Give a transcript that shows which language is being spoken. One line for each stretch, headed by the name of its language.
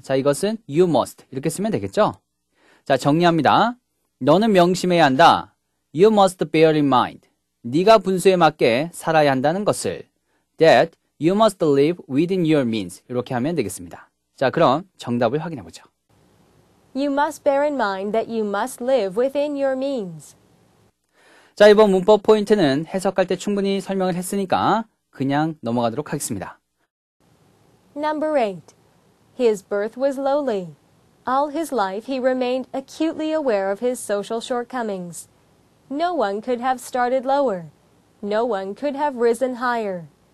Korean: 자, 이것은
English: you must
Korean: 이렇게 쓰면 되겠죠. 자, 정리합니다. 너는 명심해야 한다.
English: You must bear in mind.
Korean: 네가 분수에 맞게 살아야 한다는 것을.
English: That you must live within your means.
Korean: 이렇게 하면 되겠습니다. 자, 그럼 정답을 확인해 보죠.
English: You must bear in mind that you must live within your means.
Korean: 자, 이번 문법 포인트는 해석할 때 충분히 설명을 했으니까 그냥 넘어가도록 하겠습니다.
English: Number 8. His birth was lowly. All his life he remained acutely aware of his social shortcomings. No one could have started lower. No one could have risen higher.